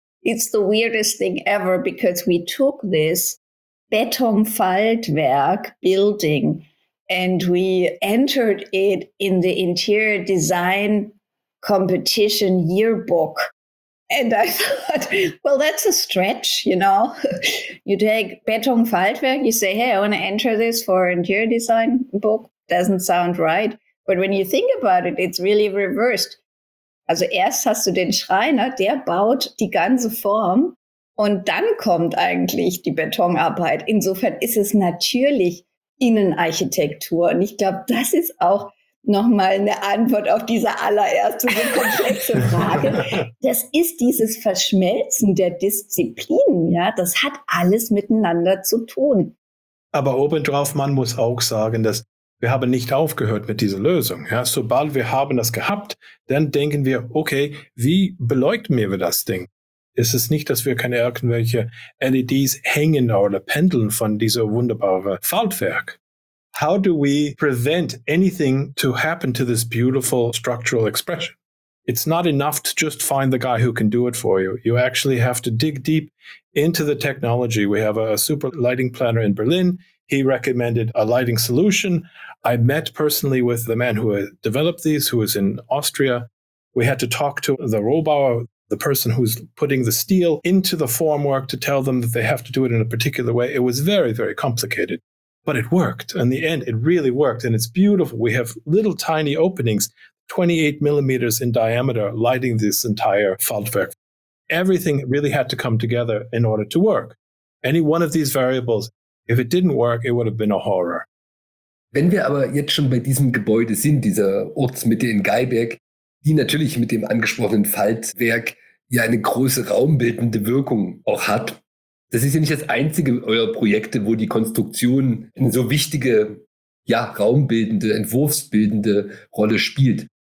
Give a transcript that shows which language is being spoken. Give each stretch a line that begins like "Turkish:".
English: It's the weirdest thing ever, because we took this Betonfaltwerk building and we entered it in the interior design competition yearbook. And I thought, well, that's a stretch, you know. You take Betonfaltwerk, you say, hey, I want to enter this for interior design book. Doesn't sound right. But when you think about it, it's really reversed.
German: Also erst hast du den Schreiner, der baut die ganze Form und dann kommt eigentlich die Betonarbeit. Insofern ist es natürlich Innenarchitektur. Und ich glaube, das ist auch nochmal eine Antwort auf diese allererste so komplexe Frage. Das ist dieses Verschmelzen der Disziplinen. Ja, das hat alles miteinander zu tun. Aber obendrauf, man muss auch sagen, dass wir haben nicht aufgehört mit dieser Lösung. Ja, sobald wir haben das gehabt, dann denken wir, okay, wie beleuchten wir das Ding? Es ist nicht, dass wir keine irgendwelche LEDs hängen oder pendeln von diesem wunderbaren Faltwerk.
English: How do we prevent anything to happen to this beautiful structural expression? It's not enough to just find the guy who can do it for you. You actually have to dig deep into the technology. We have a super lighting planner in Berlin. He recommended a lighting solution. I met personally with the man who had developed these, who was in Austria. We had to talk to the Rohbauer, the person who's putting the steel into the formwork, to tell them that they have to do it in a particular way. It was very, very complicated. But it worked. In the end, it really worked. And it's beautiful. We have little tiny openings, 28 millimeters in diameter, lighting this entire Faltwerk. Everything really had to come together in order to work. Any one of these variables, if it didn't work, it would have been a horror.
German: Wenn wir aber jetzt schon bei diesem Gebäude sind, dieser Ortsmitte in Geiberg, die natürlich mit dem angesprochenen Faltwerk ja eine große raumbildende Wirkung auch hat, das ist ja nicht das einzige eurer Projekte, wo die Konstruktion eine so wichtige, ja, raumbildende, entwurfsbildende Rolle spielt.